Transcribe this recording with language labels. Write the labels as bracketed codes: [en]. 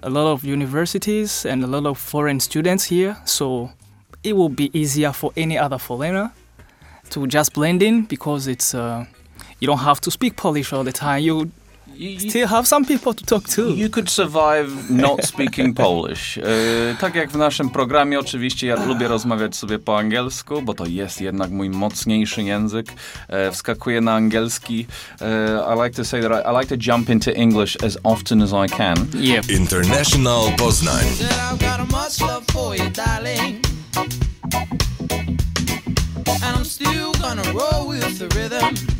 [en] So a lot of universities and a lot of foreign students here, so it will be easier for any other foreigner to just blend in because it's you don't have to speak Polish all the time. You still have some people to talk to. You could survive not speaking Polish. [pl] Tak jak w naszym programie, oczywiście ja lubię rozmawiać sobie po angielsku, bo to jest jednak mój mocniejszy język. Wskakuję na angielski. [en] I like to say that I like to jump into English as often as I can. Yep. International Poznań. I've got a much love for you, darling. And I'm still gonna roll with the rhythm.